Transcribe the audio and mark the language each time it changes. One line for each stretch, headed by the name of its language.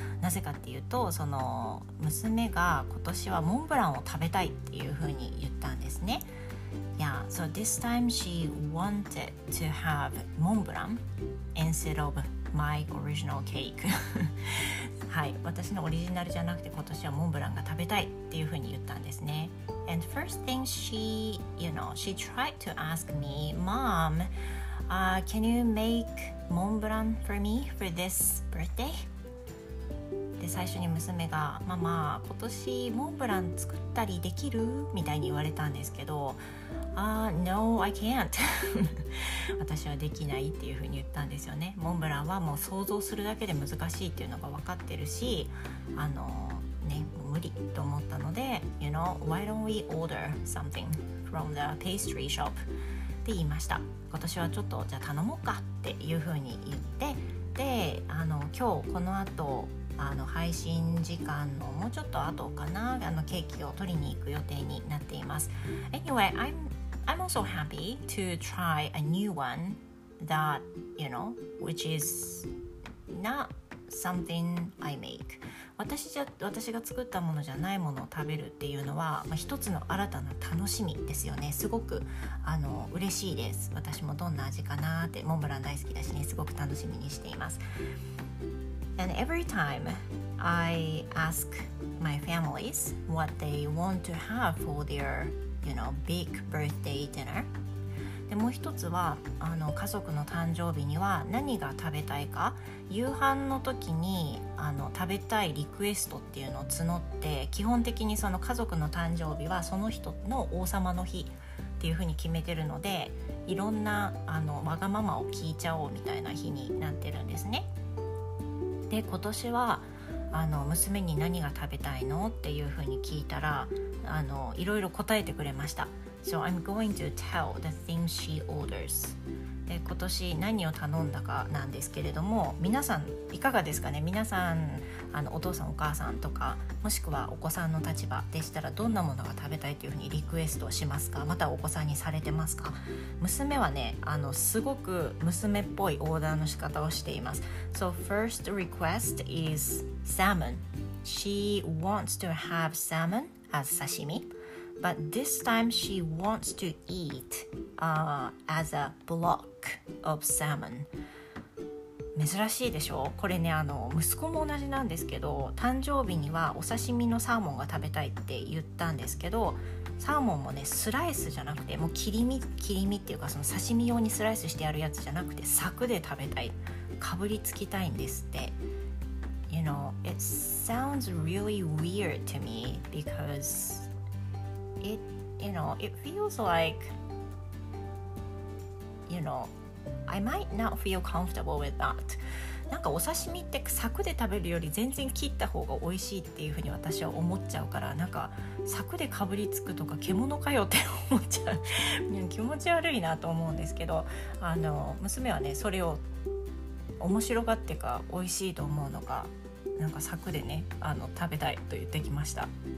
Japanese: なぜかっていうと、その娘が今年はモンブランを食べたいっていう風に言ったんですね。
English: Yeah, so this time she wanted to have モンブラン instead of my original cake.
Japanese: はい、私のオリジナルじゃなくて今年はモンブランが食べたいっていう風に言ったんですね。
English: And first thing she, you know, she tried to ask me, Mom, can you make Montblanc for me for this birthday?
Japanese: で、最初に娘が、ママ、今年モンブラン作ったりできる? みたいに言われたんですけど、
English: No, I can't.
Japanese: 私はできないっていうふうに言ったんですよね。モンブランはもう想像するだけで難しいっていうのが分かってるし、ね、もう無理と思ったので、
English: You know, why don't we order something from the pastry shop?
Japanese: って言いました。今年はちょっとじゃあ頼もうかっていうふうに言って、で今日この後配信時間のもうちょっと後かな、ケーキを取りに行く予定になっています。
English: Anyway, I'm also happy to try a new one that, you know, which is not something I make.
Japanese: 私が作ったものじゃないものを食べるっていうのは、まあ、一つの新たな楽しみですよね。すごく嬉しいです。私もどんな味かなって、モンブラン大好きだしね、すごく楽しみにしています。
English: And every time I ask my families what they want to have for their, you know, big birthday dinner、
Japanese: でもう一つは家族の誕生日には何が食べたいか、夕飯の時に食べたいリクエストっていうのを募って、基本的にその家族の誕生日はその人の王様の日っていうふうに決めてるので、いろんなわがままを聞いちゃおうみたいな日になってるんですね。で今年は娘に何が食べたいのっていうふうに聞いたら、いろいろ答えてくれました。
English: So I'm going to tell the things she orders.
Japanese: 今年何を頼んだかなんですけれども、皆さんいかがですかね。皆さんお父さんお母さんとか、もしくはお子さんの立場でしたら、どんなものが食べたいというふうにリクエストしますか。またお子さんにされてますか。娘はね、すごく娘っぽいオーダーの仕方をしています。
English: So first request is salmon. She wants to have salmon as sashimi. But this time she wants to eat as a block of salmon.
Japanese: 珍しいでしょう。これね、息子も同じなんですけど、誕生日にはお刺身のサーモンが食べたいって言ったんですけど、サーモンもね、スライスじゃなくて、もう切り身っていうか、その刺身用にスライスしてあるやつじゃなくて、柵で食べたい、かぶりつきたいんですって。
English: You know, it sounds really weird to me becauseIt, you know, it feels like, you know, I might not feel comfortable with that.
Japanese: なんかお刺身って柵で食べるより全然切った方が美味しいっていうふうに私は思っちゃうから、なんか柵でかぶりつくとか獣かよって思っちゃう気持ち悪いなと思うんですけど、娘はね、それを面白がってか美味しいと思うのか、なんか柵でね、食べたいと言ってきました。